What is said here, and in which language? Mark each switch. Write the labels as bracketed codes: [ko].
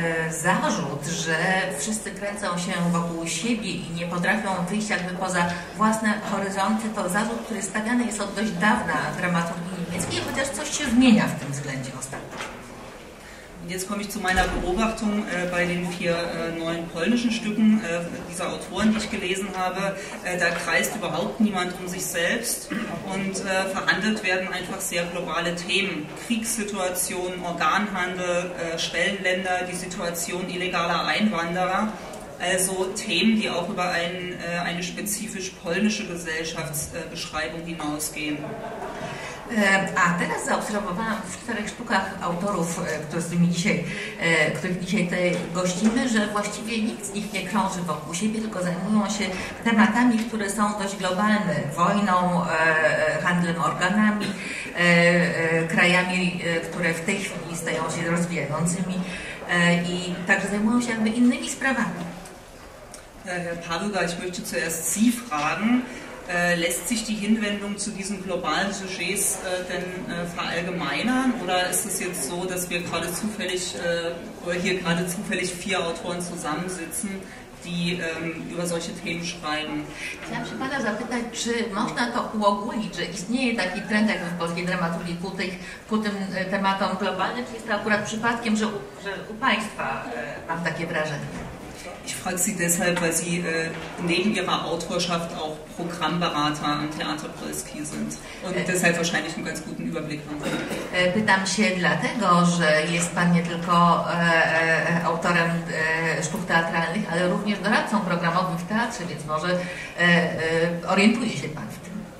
[pl] Zarzut, że wszyscy kręcą się wokół siebie i nie potrafią wyjść jakby poza własne horyzonty, to zarzut, który stawiany jest od dość dawna dramaturgii niemieckiej, chociaż coś się zmienia w tym względzie ostatnio. [de] Und jetzt komme ich zu meiner Beobachtung bei den vier neuen polnischen Stücken dieser Autoren, die ich gelesen habe. Da kreist überhaupt niemand um sich selbst und verhandelt werden einfach sehr globale Themen. Kriegssituationen, Organhandel, Schwellenländer, die Situation illegaler Einwanderer. Also Themen, die auch über eine spezifisch polnische Gesellschaftsbeschreibung hinausgehen. [pl] A teraz zaobserwowałam w czterech sztukach autorów, których dzisiaj tutaj gościmy, że właściwie nikt z nich nie krąży wokół siebie, tylko zajmują się tematami, które są dość globalne. Wojną, handlem organami, krajami, które w tej chwili stają się rozwijającymi i także zajmują się jakby innymi sprawami. [de] Herr Paluga, ich möchte zuerst Sie fragen. Lässt sich die Hinwendung zu diesen globalen Sujets denn verallgemeinern oder ist es jetzt so, dass wir gerade zufällig oder hier gerade zufällig vier Autoren zusammensitzen, die über solche Themen schreiben? [pl] Ja, [de] ich würde [pl] zapytać, czy można to uogólnić, że istnieje taki trend jak w polskiej dramaturgii ku tym tematom globalnym, czy jest to akurat przypadkiem, że u Państwa mam takie wrażenie? [de] Ich frage Sie deshalb, weil Sie neben Ihrer Autorschaft auch Programmberater am Theater Polski sind und deshalb wahrscheinlich einen ganz guten Überblick haben. [pl] Pytam się dlatego, że jest Pan nie tylko autorem sztuk teatralnych, ale również doradcą programowym w teatrze, więc może orientuje się Pan w tym.